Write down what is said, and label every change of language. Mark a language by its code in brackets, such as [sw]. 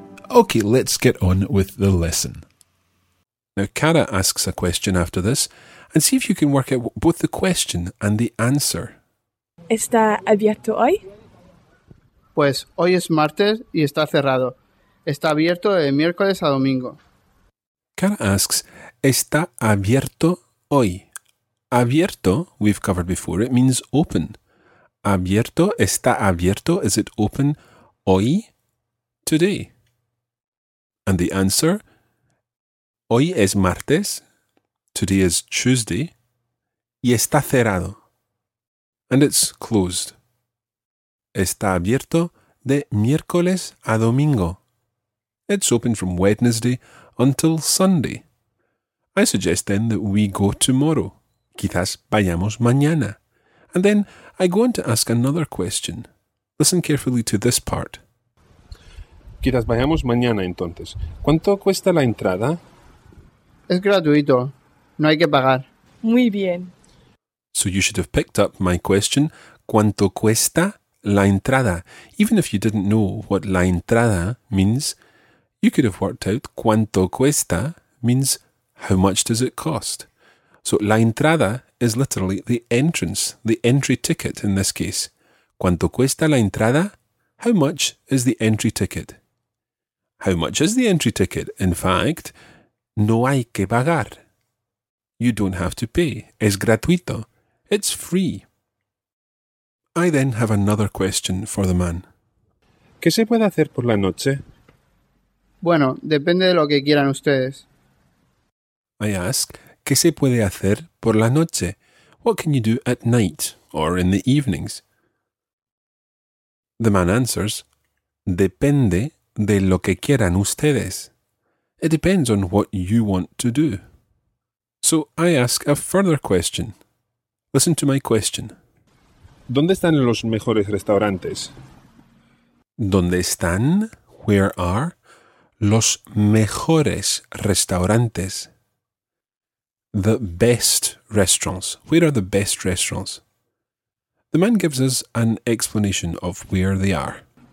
[en] Okay, let's get on with the lesson. Now, Cara asks a question after this, and see if you can work out both the question and the answer. [es] ¿Está abierto hoy? Pues hoy es martes y está cerrado. Está abierto de miércoles a domingo. [en] Kara asks, [es] ¿está abierto hoy? [en] Abierto, we've covered before, it means open. [es] Abierto, está abierto, [en] is it open hoy, today? And the answer, [es] hoy es martes, [en] today is Tuesday, [es] y está cerrado. [en] And it's closed. [es] Está abierto de miércoles a domingo. [en] It's open from Wednesday until Sunday. I suggest then that we go tomorrow. [es] Quizás vayamos mañana. [en] And then I go on to ask another question. Listen carefully to this part. [es] Quizás vayamos mañana entonces. ¿Cuánto cuesta la entrada? Es gratuito. No hay que pagar. Muy bien. [en] So you should have picked up my question, [es] ¿cuánto cuesta la entrada? [en] Even if you didn't know what la entrada means, you could have worked out [es] cuánto cuesta [en] means how much does it cost. So la entrada is literally the entrance, the entry ticket in this case. [es] ¿Cuánto cuesta la entrada? [en] How much is the entry ticket? How much is the entry ticket? In fact, [es] no hay que pagar. [en] You don't have to pay. [es] Es gratuito. [en] It's free. I then have another question for the man. [es] ¿Qué se puede hacer por la noche? Bueno, depende de lo que quieran ustedes. [en] I ask, [es] ¿qué se puede hacer por la noche? [en] What can you do at night or in the evenings? The man answers, [es] depende de lo que quieran ustedes. [en] It depends on what you want to do. So I ask a further question. Listen to my question. [es] ¿Dónde están los mejores restaurantes? ¿Dónde están, [en] where are, [es] los mejores restaurantes? [en] The best restaurants. Where are the best restaurants? The man gives us an explanation of where they are.